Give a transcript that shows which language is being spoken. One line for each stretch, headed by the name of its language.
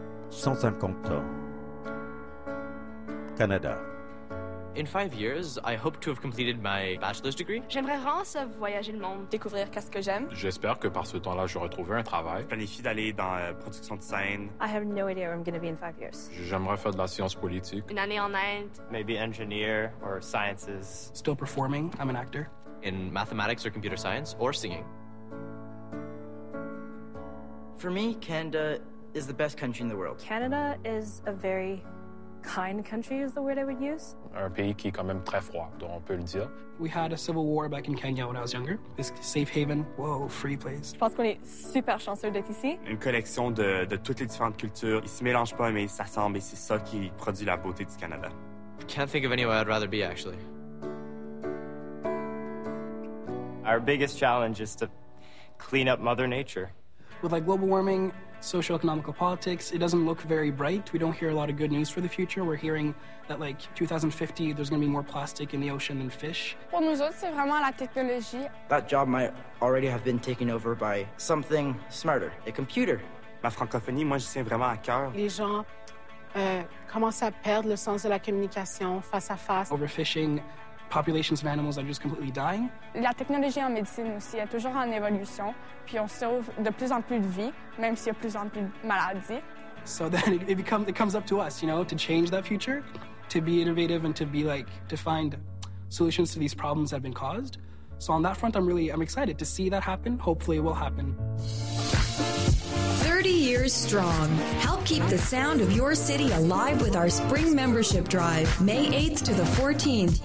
French: 150 ans. Canada.
English: In 5 years, I hope to have completed my bachelor's degree.
French: J'aimerais vraiment voyager le monde, découvrir qu'est-ce que j'aime. J'espère que par ce temps-là, j'aurai trouvé un travail. Je planifie d'aller dans la production de scène.
English: I have no idea where I'm going to be in 5 years.
French: J'aimerais faire de la science politique. Une année en Inde.
English: Maybe engineer or sciences. Still performing, I'm an actor. In mathematics or computer science or singing. For me, Canada is the best country in the world. Canada is a very kind country is the word I would use.
French: Un pays qui est quand même très froid, donc on peut le dire.
English: We had a civil war back in Kenya when I was younger. This safe haven, whoa, free place.
French: Je pense qu'on est super chanceux d'être ici. Une collection de toutes les différentes cultures. Ils se mélangent pas, mais ils s'assemblent, et c'est ça qui produit la beauté du Canada.
English: I can't think of anywhere I'd rather be, actually. Our biggest challenge is to clean up Mother Nature. With like global warming, socio-economical politics, it doesn't look very bright. We don't hear a lot of good news for the future. We're hearing that like 2050, there's going to be more plastic in the ocean than fish.
French: Pour nous autres, c'est vraiment la technologie.
English: That job might already have been taken over by something smarter, a computer.
French: Ma francophonie, moi, j'y tiens vraiment à cœur. Les gens commencent à perdre le sens de la communication face à face.
English: Overfishing, populations of animals are just completely dying.
French: La technologie en médecine aussi est toujours en évolution, puis on sauve de plus en plus de vies, même s'il y a de plus en plus de maladies.
English: So then it comes up to us, you know, to change that future, to be innovative and to be like, to find solutions to these problems that have been caused. So on that front, I'm excited to see that happen. Hopefully it will happen. 30 years strong. Help keep the sound of your city alive with our spring membership drive, May 8th to the 14th.